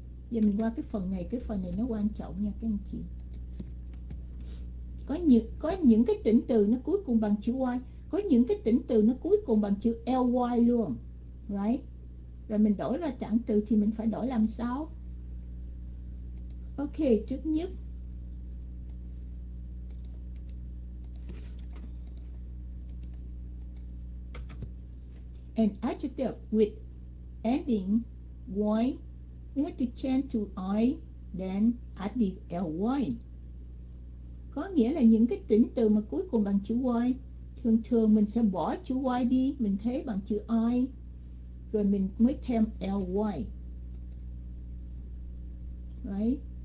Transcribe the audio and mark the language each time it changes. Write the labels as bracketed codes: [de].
[vi] Giờ mình qua cái phần này, cái phần này nó quan trọng nha các anh chị. Có những cái tính từ nó cuối cùng bằng chữ y, có những cái tính từ nó cuối cùng bằng chữ ly luôn. Right. Rồi mình đổi ra chẳng từ thì mình phải đổi làm sao? [en] Ok, [vi] trước nhất [en] an adjective with ending y, we have to change to i, then add the ly. [vi] Có nghĩa là những cái tính từ mà cuối cùng bằng chữ y, thường thường mình sẽ bỏ chữ y đi, mình thế bằng chữ i, rồi mình mới thêm ly. Right.